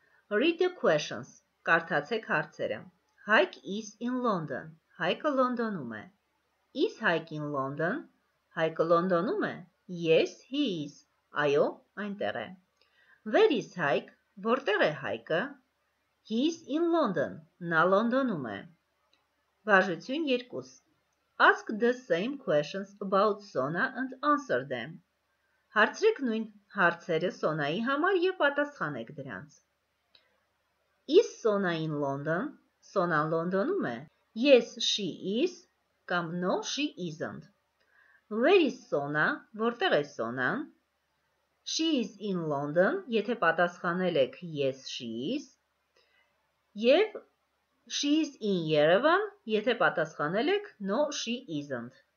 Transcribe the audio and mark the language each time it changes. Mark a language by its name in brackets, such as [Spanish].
[English] Read the questions, [Armenian] կարդացեք հարցերը. [English] Hike is in London, [Armenian] հայկը լոնդոնում է։ [English] Is Hike in London, հայկը լոնդոնում է։ Yes, he is, [Armenian] այո, այնտեղ է։ [English] Where is Hike, [Armenian] որտեղ է հայկը։ [English] He is in London, [Armenian] նա լոնդոնում է։ Վարժություն 2. [English] Ask the same questions about Sona and answer them. [Armenian] Հարցրեք նույն հարցերը Սոնայի համար և պատասխանեք դրանց։ [English] Is Sona in London? [Armenian] Սոնան լոնդոնում է։ [English] Yes, she is, [Armenian] կամ [English] no, she isn't. Where is Sona? [Armenian] Որտեղ է Սոնան? [English] She is in London, [Armenian] եթե պատասխանել եք [English] yes, she is, [Armenian] և [English] She is in Yerevan, եթե պատասխանել եք, no, she isn't.